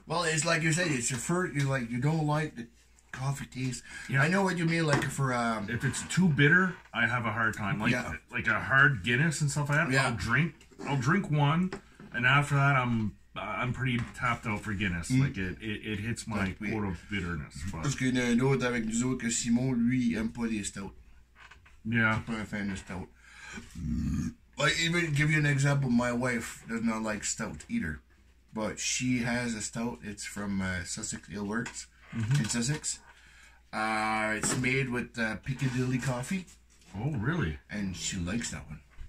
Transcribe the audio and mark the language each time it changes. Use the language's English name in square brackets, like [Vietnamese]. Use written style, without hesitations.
[English] Well, it's like you said, it's your first, you're like, you don't like the coffee taste. Yeah. I know what you mean, like for, if it's too bitter, I have a hard time. Like, yeah. Like a hard Guinness and stuff like that, yeah. I'll drink one, and after that, I'm pretty tapped out for Guinness. Mm. Like it hits my quota of bitterness. [French] Parce qu'il y a un autre avec nous autres que Simon, lui, il aime pas les stouts. [English] Yeah. He's not a fan of stout. Like, even give you an example, my wife does not like stout either. But she has a stout. It's from Sussex Ale Works in Sussex. It's made with Piccadilly coffee. Oh, really? And she likes that one.